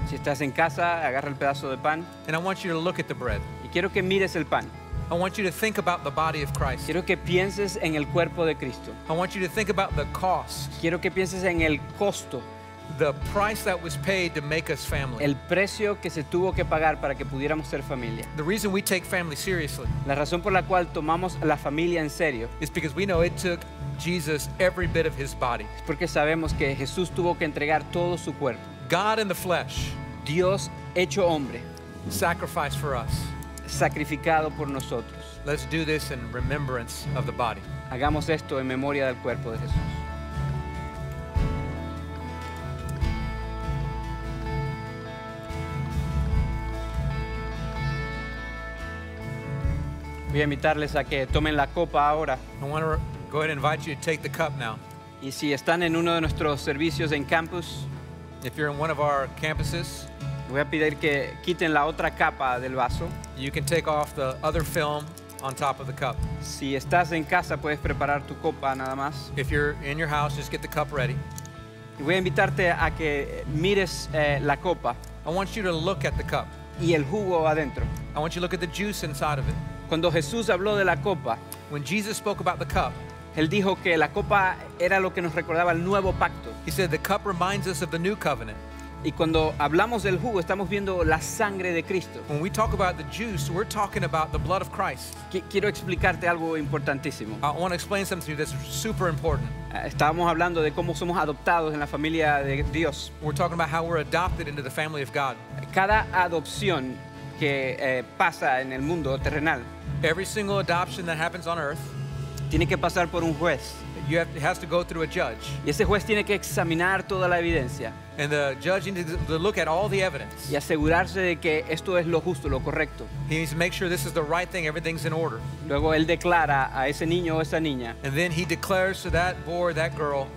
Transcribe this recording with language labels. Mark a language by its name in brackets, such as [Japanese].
[Spanish] Si estás en casa, agarra el pedazo de pan. [English] And I want you to look at the bread. [Spanish] Y quiero que mires el pan. [English] I want you to think about the body of Christ. [Spanish] Quiero que pienses en el cuerpo de Cristo. [English] I want you to think about the cost. [Spanish] Quiero que pienses en el costo. [English] The price that was paid to make us family. [Spanish] El precio que se tuvo que pagar para que pudiéramos ser familia. [English] The reason we take family seriously. [Spanish] La razón por la cual tomamos la familia en serio. [English] Is because we know it took Jesus every bit of his body. [Spanish] Es porque sabemos que Jesús tuvo que entregar todo su cuerpo. [English] God in the flesh. [Spanish] Dios hecho hombre. [English] Sacrificed for us. [Spanish] Sacrificado por nosotros. [English] Let's do this in remembrance of the body. [Spanish] Hagamos esto en memoria del cuerpo de Jesús. Voy a invitarles a que tomen la copa ahora. [English] I want to go ahead and invite you to take the cup now. [Spanish] Y si están en uno de nuestros servicios en campus, [English] if you're in one of our campuses, [Spanish] voy a pedir que quiten la otra capa del vaso. [English] You can take off the other film on top of the cup. [Spanish] Si estás en casa, puedes preparar tu copa nada más. [English] If you're in your house, just get the cup ready. [Spanish] Y voy a invitarte a que mires la copa. [English] I want you to look at the cup. [Spanish] Y el jugo adentro. [English] I want you to look at the juice inside of it. [Spanish] Cuando Jesús habló de la copa, [English] when Jesus spoke about the cup, [Spanish] él dijo que la copa era lo que nos recordaba el nuevo pacto. [English] He said the cup reminds us of the new covenant. [Spanish] Y cuando hablamos del jugo, estamos viendo la sangre de Cristo. [English] When we talk about the juice, we're talking about the blood of Christ. [Spanish] Quiero explicarte algo importantísimo. [English] I want to explain something to you that's super important. [Spanish] Estábamos hablando de cómo somos adoptados en la familia de Dios. [English] We're talking about how we're adopted into the family of God. [Spanish] Cada adopción que pasa en el mundo terrenal. [English] Every single adoption that happens on earth, [Spanish] tiene que pasar por un juez. [English] It has to go through a judge. [Spanish] Y ese juez tiene que examinar toda la evidencia. [English] And the judge needs to look at all the evidence. [Spanish] Y asegurarse de que esto es lo justo, lo correcto. [English] He needs to make sure this is the right thing, everything's in order. [Spanish] Luego él declara a ese niño o esa niña. [English] And then he declares to that boy or that girl,